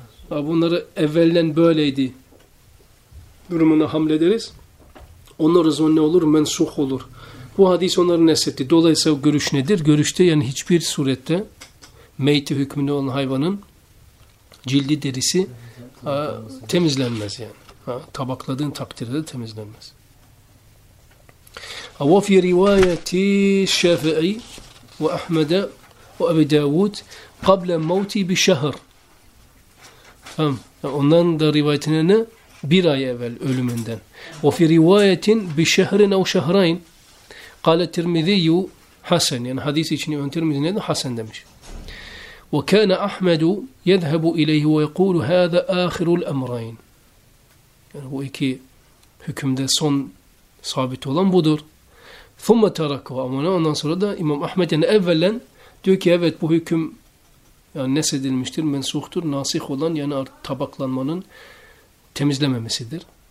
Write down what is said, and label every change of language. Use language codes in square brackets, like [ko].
[tr] Bunları evvelden böyleydi. Durumuna hamle ederiz. Onlar zon ne olur? Mensuh olur. Bu hadis onları neshetti. Dolayısıyla görüş nedir? Görüşte yani hiçbir surette meyti hükmünde olan hayvanın cildi derisi temizlenmez yani. Tabakladığın takdirde temizlenmez. [ar] وفي رواية الشافعي وأحمد وأبي داود قبل موتي بشهر. [tr] Ondan da rivayetine ne? Bir ay evvel ölümünden. [ar] وفي رواية بشهر أو شهرين قال الترمذي حسن. [tr] Yani hadis için ön Tirmizi neydi? Hasan demiş. [ar] وكان أحمد يذهب إليه ويقول هذا آخر الأمرين. [tr] Yani bu iki hükümde son sabit olan budur. [ar] ثُمَّ تَرَكُوا اَمَنَا. [tr] Ondan sonra da İmam Ahmet yani evvelen diyor ki evet bu hüküm yani neshedilmiştir, mensuhtur, nasih olan yani tabaklanmanın temizlememesidir.